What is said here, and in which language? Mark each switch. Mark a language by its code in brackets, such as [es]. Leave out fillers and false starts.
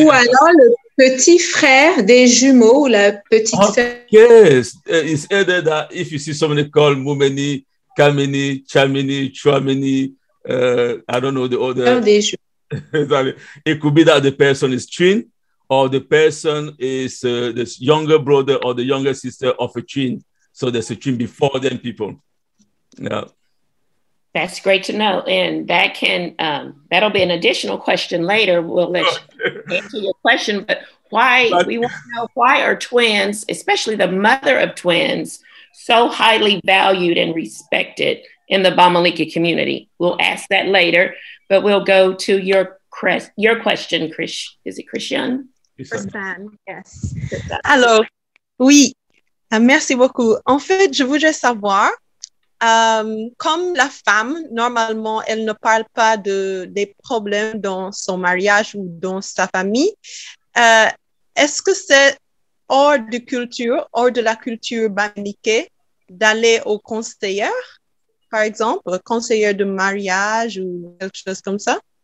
[fr] Ou alors le petit frère des jumeaux, ou la petite sœur. [en] Yes, it's either that if you see somebody called Moumeni, Kameni, Chameni, Chouameni, I don't know the other. It could be that the person is twin, or the person is the younger brother or the younger sister of a twin. So there's a twin before them people. Yeah. That's great to know. And that can, that'll be an additional question later. We'll let you answer your question. But we want to know, why are twins, especially the mother of twins, so highly valued and respected in the Bamileke community? We'll ask that later, but we'll go to your question, Chris. Is it Christian? Christian, yes. Hello. [fr] Oui. Merci beaucoup. En fait, je voudrais savoir, comme la femme, normalement, elle ne parle pas des problèmes dans son mariage ou dans sa famille, est-ce que c'est hors de la culture Bamileke d'aller au conseiller, par exemple, conseiller de mariage ou quelque chose comme ça?